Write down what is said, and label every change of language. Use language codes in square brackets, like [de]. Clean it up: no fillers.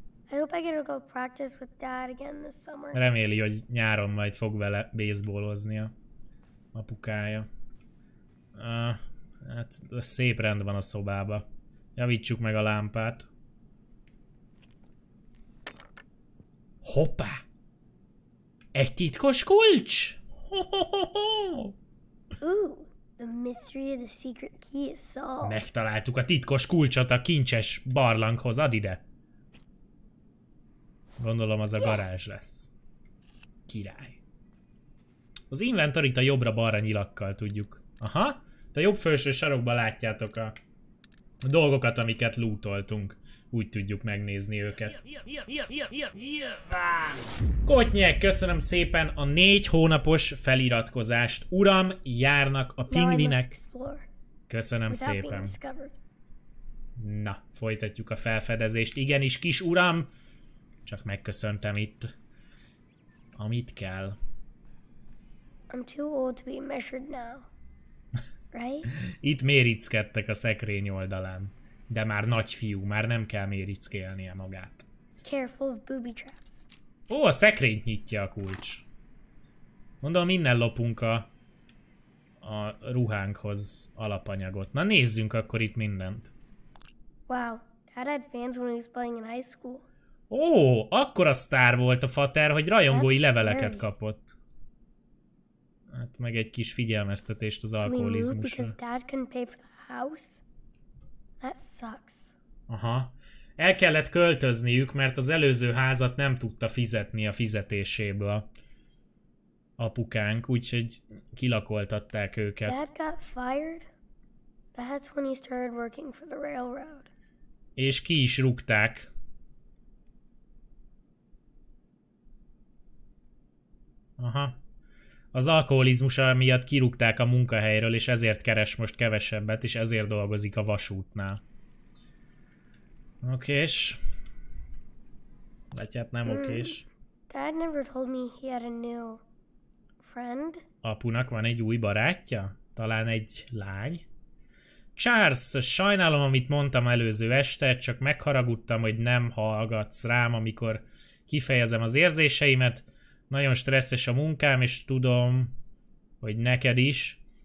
[en] I hope I get to go practice with Dad again this summer. [hu] Reméli, hogy nyáron majd fog vele baseballoznia apukája. Hát, szép rend van a szobába. Javítsuk meg a lámpát. Hoppá! Egy titkos kulcs? [en] Ooh, the mystery of the secret key is solved. [hu] Megtaláltuk a titkos kulcsot a kincses barlanghoz, add ide! Gondolom az a garázs lesz. Király. Az inventorit a jobbra-balra nyilakkal tudjuk. Aha! A jobb felső sarokban látjátok a dolgokat, amiket lootoltunk. Úgy tudjuk megnézni őket. Kotnyek, köszönöm szépen a 4 hónapos feliratkozást. Uram, járnak a pingvinek. Köszönöm szépen. Na, folytatjuk a felfedezést. Igenis, kis uram. Csak megköszöntem itt, amit kell. [en] I'm too old to be measured now. [hu] Itt mérickedtek a szekrény oldalán. De már nagy fiú, már nem kell mérickélnie magát. [en] Careful of booby traps. [hu] Ó, a szekrényt nyitja a kulcs. Mondom, innen lopunk a ruhánkhoz alapanyagot. Na nézzünk akkor itt mindent. [en] Wow, Dad had fans when he was playing in high school. [hu] Ó, akkora sztár volt a Fater, hogy rajongói leveleket kapott. Hát meg egy kis figyelmeztetést az alkoholizmusra. [en] Should we move because Dad couldn't pay for the house? That sucks. Aha. [hu] El kellett költözniük, mert az előző házat nem tudta fizetni a fizetéséből apukánk, úgyhogy kilakoltatták őket. [en] Dad got fired? That's when he started working for the railroad. [hu] És ki is rúgták. Aha. Az alkoholizmusa miatt kirúgták a munkahelyről, és ezért keres most kevesebbet, és ezért dolgozik a vasútnál. Okés. Látját, nem okés. [en] Dad never told me he had a new friend. [hu] Apunak van egy új barátja? Talán egy lány? Charles, sajnálom, amit mondtam előző este, csak megharagudtam, hogy nem hallgatsz rám, amikor kifejezem az érzéseimet. Nagyon stresszes a munkám, és tudom, hogy neked is.